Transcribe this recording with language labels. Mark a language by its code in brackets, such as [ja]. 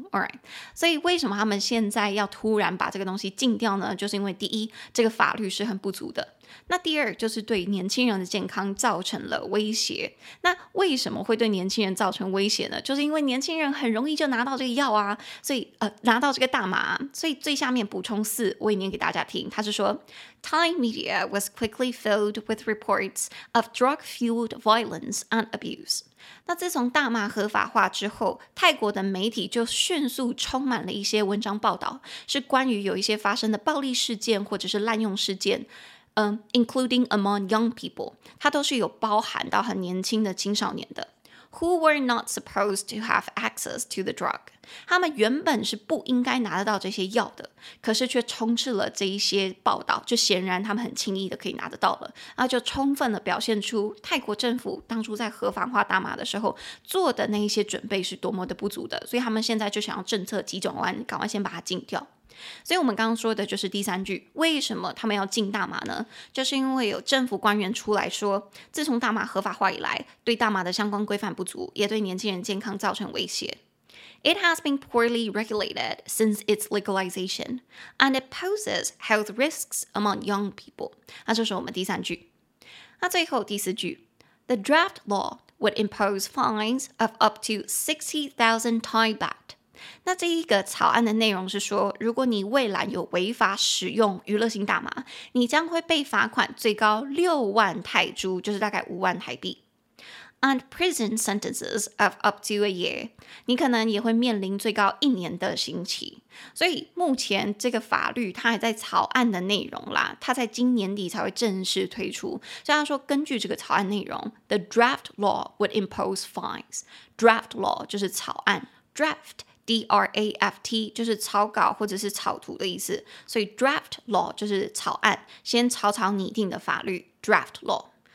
[zh] Alright， 所以为什么他们现在要突然把这个东西禁掉呢？就是因为第一，这个法律是很不足的，那第二就是对年轻人的健康造成了威胁。那为什么会对年轻人造成威胁呢？就是因为年轻人很容易就拿到这个药啊，所以拿到这个大麻。所以最下面补充四，我也念给大家听。他是说 [en] Time media was quickly filled with reports of drug-fueled violence and abuse. [zh] 那自从大麻合法化之后，泰国的媒体就迅速充满了一些文章报道，是关于有一些发生的暴力事件或者是滥用事件， [en] including among young people， [zh] 它都是有包含到很年轻的青少年的。 [en] Who were not supposed to have access to the drug， [zh] 他们原本是不应该拿得到这些药的，可是却充斥了这一些报道，就显然他们很轻易的可以拿得到了，那就充分的表现出泰国政府当初在合法化大麻的时候做的那一些准备是多么的不足的，所以他们现在就想要政策急转弯，赶快先把它禁掉。所以我们刚刚说的就是第三句，为什么他们要禁大麻呢？就是因为有政府官员出来说，自从大麻合法化以来，对大麻的相关规范不足，也对年轻人健康造成威胁。 [en] It has been poorly regulated since its legalization, and it poses health risks among young people. [zh] 那就是我们第三句。那最后第四句， [en] The draft law would impose fines of up to 60,000 Thai baht. [zh] 那这一个草案的内容是说，如果你未来有违法使用娱乐性大麻，你将会被罚款最高60,000泰铢，就是大概50,000台币。 [en] And prison sentences of up to a year. [zh] 你可能也会面临最高一年的刑期。所以目前这个法律它还在草案的内容啦，它在今年底才会正式推出。所以他说根据这个草案内容， [en] The draft law would impose fines. [zh] Draft law 就是草案， draftDRAFT 就是草稿或者是草图的意思，所以 draft law 就是草案，先草草拟定的法律 draft law。